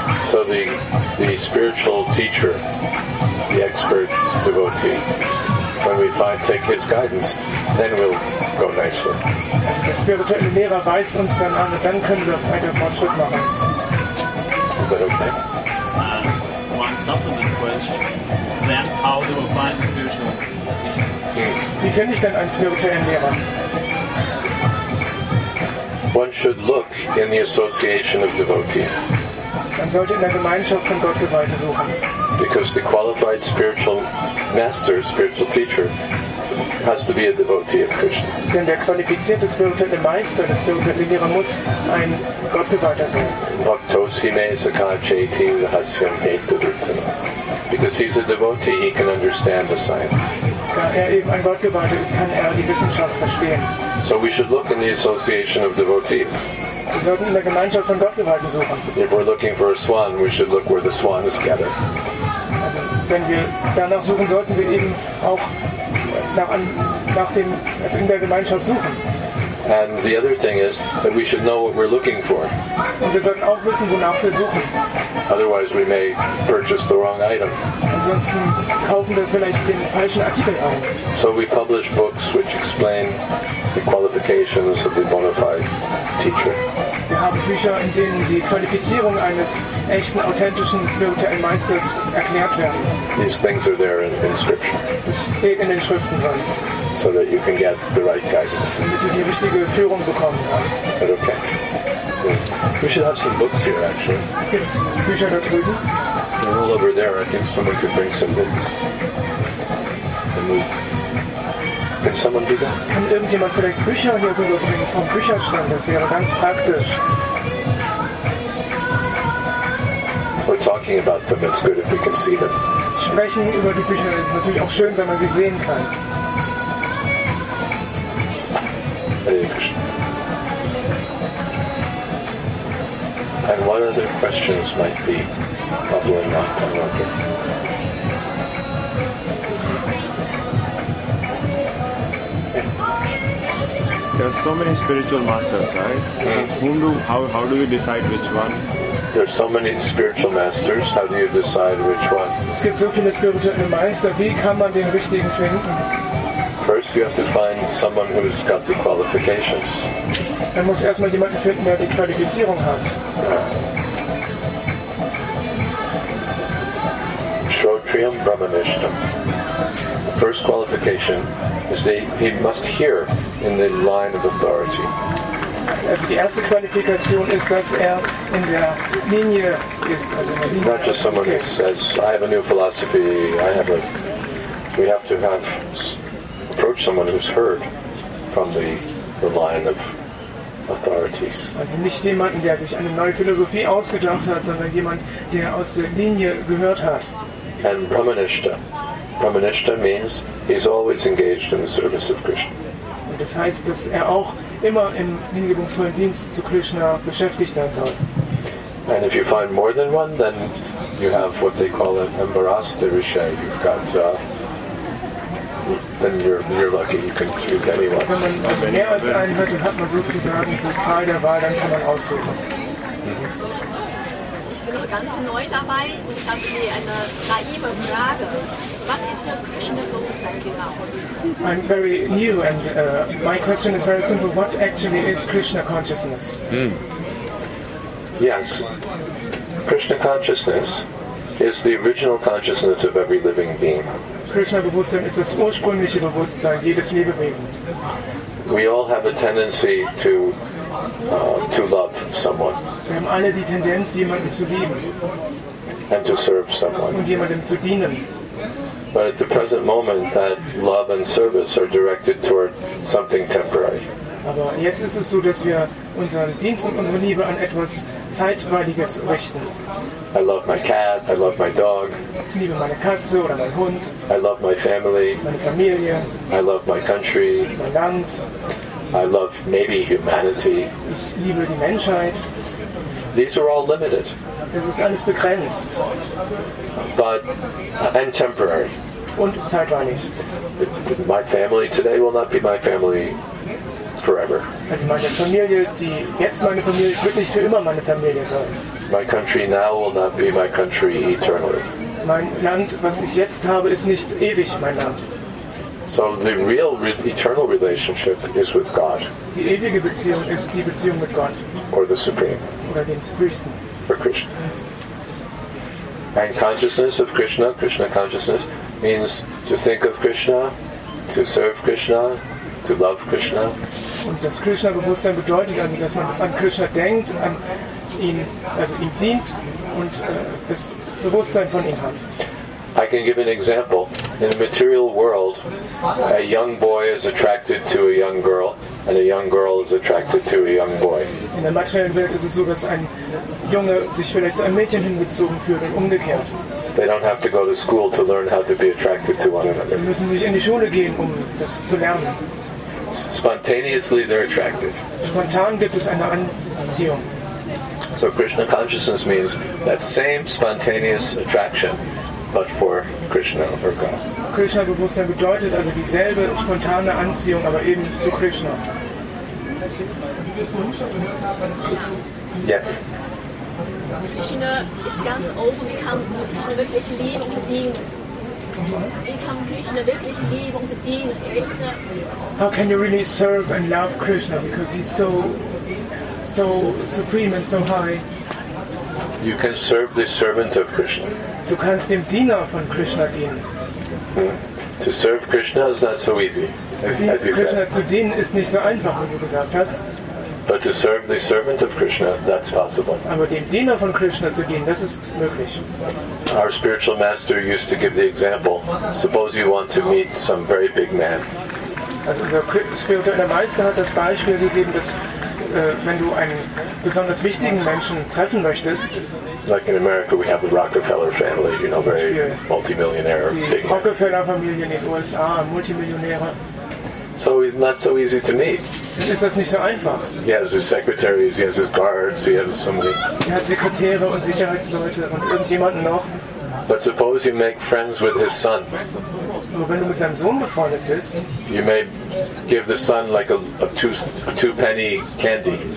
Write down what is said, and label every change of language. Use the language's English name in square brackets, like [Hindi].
[English] So the spiritual teacher, the expert devotee, when we find take his guidance, then we'll go nicely. [German] Der spirituelle Lehrer weist uns dann an, dann können wir weiter Fortschritt machen. [English] Is that okay? One supplement question. Then how do we find a spiritual teacher? [German] Wie finde ich denn einen spirituellen Lehrer? [English] One should look in the association of devotees. [German] Man sollte in der Gemeinschaft von Gottgeweihte suchen. [English] Because the qualified spiritual master, spiritual teacher, has to be a devotee of Krishna. [German] Denn der qualifizierte spirituelle Meister, der spirituelle Lehrer, muss ein Gottgeweihter sein. [Sanskrit] Bhaktosi me sakachaiti hasyam hetudutana. [English] Because he's a devotee, he can understand the science. [German] Da er eben ein Gottgeweihter ist, kann er die Wissenschaft verstehen. [English] So we should look in the association of devotees. [German] Wir sollten in der Gemeinschaft von Gottgeweihten suchen. [English] If we're looking for a swan, we should look where the swan is gathered. [German] Also, wenn wir danach suchen, sollten wir eben auch nach in der Gemeinschaft suchen. [English] And the other thing is that we should know what we're looking for. [German] Und wir sollten auch wissen, wonach wir suchen. [English] Otherwise we may purchase the wrong item. [German] Ansonsten kaufen wir vielleicht den falschen Artikel ein. [English] So we publish books which explain the qualifications of the bona fide teacher. [German] Wir haben Bücher, in denen die Qualifizierung eines echten, authentischen spirituellen Meisters erklärt werden. [English] These things are there in scripture. [German] Das steht in den Schriften drin. [English] So that you can get the right guidance. [German] Damit du die richtige Führung bekommen kannst. [English] But okay. We should have some books here, actually. [German] Es gibt Bücher da drüben. [English] They're all over there. I think someone could bring some books. And we... Can someone do that? [German] Kann irgendjemand vielleicht Bücher hier rüberbringen vom Bücherstand? Das wäre ganz praktisch. [English] We're talking about them. It's good if we can see them. [German] Sprechen über die Bücher ist natürlich auch schön, wenn man sie sehen kann. [English] And what other questions might be bubbling up and working? There are so many spiritual masters, right? Mm-hmm. How do we decide which one? There are so many spiritual masters. How do you decide which one? [German] Es gibt so viele spirituelle Meister. Wie kann man den richtigen finden? [English] First, you have to find someone who's got the qualifications. [German] Man muss erstmal jemanden finden, der die Qualifizierung hat. [Sanskrit] Shrotriyam Brahmanishtam. [English] The first qualification is that he must hear in the line of authority. [German] Also die erste Qualifikation ist, dass er in der Linie ist. [English] Not just someone who says, I have a new philosophy, we have to have approach someone who's heard from the line of authorities. [German] Also nicht jemanden, der sich eine neue Philosophie ausgedacht hat, sondern jemand, der aus der Linie gehört hat. [English] And Brahmanishta, Pramanishta means he's always engaged in the service of Krishna. [German] Das heißt, dass auch immer im hingebungsvollen Dienst zu Krishna beschäftigt sein soll. [English] And if you find more than one, then you have what they call an embarrassed rishi. You've got, then you're lucky. You can choose anyone. [German] Wenn man also mehr als einen hat, dann hat man sozusagen die Qual der Wahl. Dann kann man aussuchen. Ich bin noch ganz neu dabei und habe mir eine naive Frage. [English] What is your Krishna consciousness now? I'm very new, and my question is very simple. What actually is Krishna consciousness? Mm. Yes, Krishna consciousness is the original consciousness of every living being. [German] Krishna Bewusstsein ist das ursprüngliche Bewusstsein jedes Lebewesens. [English] We all have a tendency to love someone. [German] Wir haben alle die Tendenz, jemanden zu lieben. [English] And to serve someone. [German] Und jemandem zu dienen. [English] But at the present moment, that love and service are directed toward something temporary. [German] Aber jetzt ist es so, dass wir unseren Dienst und unsere Liebe an etwas Zeitweiliges richten. [English] I love my cat, I love my dog. [German] Ich liebe meine Katze oder meinen Hund. [English] I love my family. [German] Meine Familie. [English] I love my country. [German] Mein Land. [English] I love maybe humanity. [German] Ich liebe die Menschheit. [English] These are all limited. [German] Das ist alles begrenzt. [English] But and temporary. [German] Und zeitweilig. [English] My family today will not be my family forever. [German] Also meine Familie, die jetzt meine Familie, wird nicht für immer meine Familie sein. [English] My country now will not be my country eternally. [German] Mein Land, was ich jetzt habe, ist nicht ewig mein Land. [English] So the real eternal relationship is with God. [German] Die ewige Beziehung ist die Beziehung mit Gott. [English] Or the Supreme. [German] Oder dem Höchsten. [English] For Krishna. And consciousness of Krishna, Krishna consciousness, means to think of Krishna, to serve Krishna, to love Krishna. [German] Und das Krishna-Bewusstsein bedeutet also, dass man an Krishna denkt, an ihn, also ihm dient und das Bewusstsein von ihm hat. [English] I can give an example. In a material world, a young boy is attracted to a young girl, and a young girl is attracted to a young boy. [German] In der materiellen Welt ist es so, dass ein Junge sich vielleicht zu einem Mädchen hingezogen fühlt und umgekehrt. [English] They don't have to go to school to learn how to be attracted to one another. [German] Sie müssen nicht in die Schule gehen, um das zu lernen. [English] Spontaneously, they're attracted. [German] Spontan gibt es eine Anziehung. [English] So Krishna consciousness means that same spontaneous attraction, but for Krishna or God. [German] Krishna Bewusstsein bedeutet also dieselbe spontane Anziehung, aber eben zu Krishna. [English] Yes. [German] Krishna ist ganz oben. Wir haben Krishna wirklich lieben und bedienen. Wir haben Krishna wirklich lieben und bedienen. [English] How can you really serve and love Krishna because he's so, so supreme and so high? You can serve the servant of Krishna. [German] Du kannst dem Diener von Krishna dienen. [English] To serve Krishna is not so easy, as you Krishna said. [German] Zu dienen ist nicht so einfach, wie du gesagt hast. [English] But to serve the servant of Krishna, that's possible. [German] Aber dem Diener von Krishna zu dienen, das ist möglich. [English] Our spiritual master used to give the example. Suppose you want to meet some very big man. [German] Also unser spiritueller Meister hat das Beispiel gegeben, dass wenn du einen besonders wichtigen Menschen treffen möchtest. [English] Like in America, we have the Rockefeller family, you know, very multimillionaire. [German] Die Rockefeller-Familie in den USA, Multimillionäre. [English] So he's not so easy to meet. [German] Ist das nicht so einfach? [English] He has his secretaries, he has his guards, he has somebody. [German] Er hat Sekretäre und Sicherheitsleute und irgendjemanden noch. [English] But suppose you make friends with his son. [German] Aber wenn du mit seinem Sohn befreundet bist. [English] You may give the son like a two-penny candy.